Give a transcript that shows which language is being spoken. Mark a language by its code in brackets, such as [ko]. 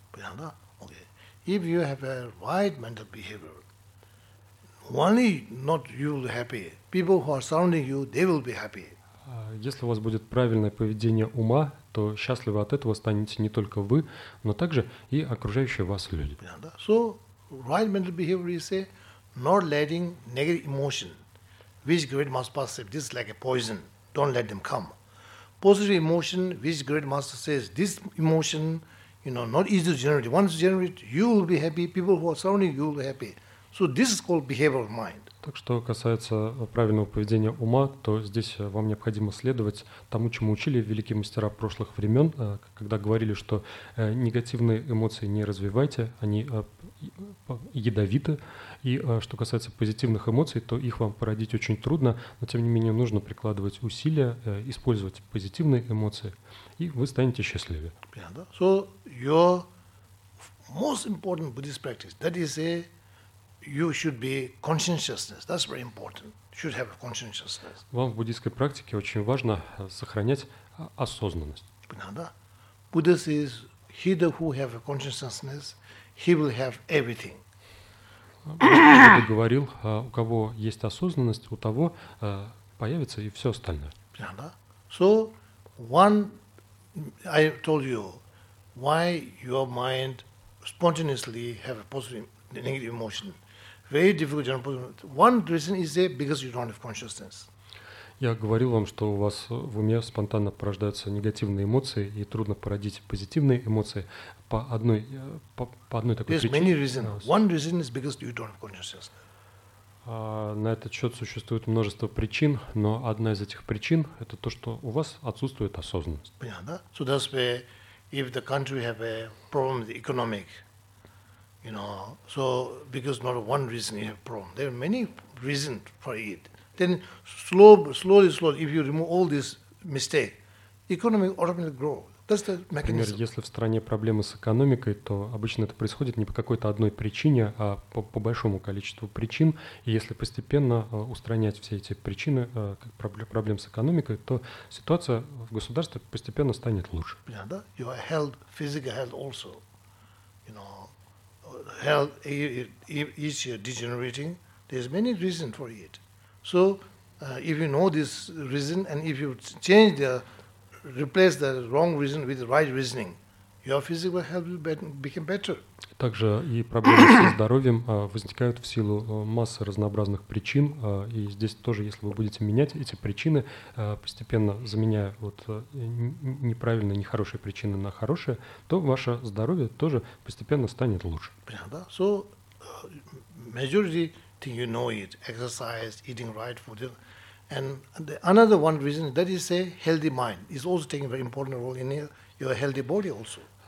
[ru] Понятно? [en] Okay. If you have a right mental behavior, only not you will be happy. People who are surrounding you, they will be happy. [ru] Если у вас будет правильное поведение ума, то счастливы от этого станете не только вы, но также и окружающие вас люди. [en] So, right mental behavior is say, not letting negative emotion, which great master says, this is like a poison, don't let them come. Positive emotion, which great master says, this emotion, you know, not easy to generate. Once generated, you will be happy, people who are surrounding you will be happy. So, this is called behavioral mind. [ru] Так что касается правильного поведения ума, то здесь вам необходимо следовать тому, чему учили великие мастера прошлых времен, когда говорили, что негативные эмоции не развивайте, они ядовиты. И что касается позитивных эмоций, то их вам породить очень трудно, но тем не менее нужно прикладывать усилия, использовать позитивные эмоции, и вы станете счастливее. [en] So your most important Buddhist practice, that is a you should be conscientiousness. That's very important. Should have a conscientiousness. [ru] Вам в буддийской практике очень важно сохранять осознанность. Понятно? [en] Buddha says, he who have a consciousness, he will have everything. [ru] Буддист говорил, у кого есть осознанность, у того появится и все остальное. Понятно? [en] So, one, I told you, why your mind spontaneously have a positive, negative emotion. Very difficult. One reason is there because you don't have consciousness. [ru] Я говорил вам, что у вас в уме спонтанно порождаются негативные эмоции и трудно породить позитивные эмоции по одной такой причине. [en] There's many reasons. One reason is because you don't have consciousness. [ru] На этот счет существует множество причин, но одна из этих причин – это то, что у вас отсутствует осознанность. Понятно? [en] So that's why if the country have a problem with economic, you know, so because not one reason you have problem, there are many reasons for it. Then slowly, if you remove all this mistake, economy automatically grow. That's the mechanism. [ru] Например, если в стране проблемы с экономикой, то обычно это происходит не по какой-то одной причине, а по большому количеству причин. И если постепенно устранять все эти причины проблем с экономикой, то ситуация в государстве постепенно станет лучше. [en] Yeah, [ru] да? [en] Your health, physical health also, you know. Health is degenerating. There's many reasons for it. So, if you know this reason and if you change the, replace the wrong reason with the right reasoning, your physical health became better. [ru] Также и проблемы со здоровьем возникают в силу массы разнообразных причин. И здесь тоже, если вы будете менять эти причины, постепенно заменяя вот неправильные, нехорошие причины на хорошие, то ваше здоровье тоже постепенно станет лучше. [en] So, majority thing you know it, exercise, eating right food. And the another one reason that is a healthy mind is also taking a very important role in your healthy body also.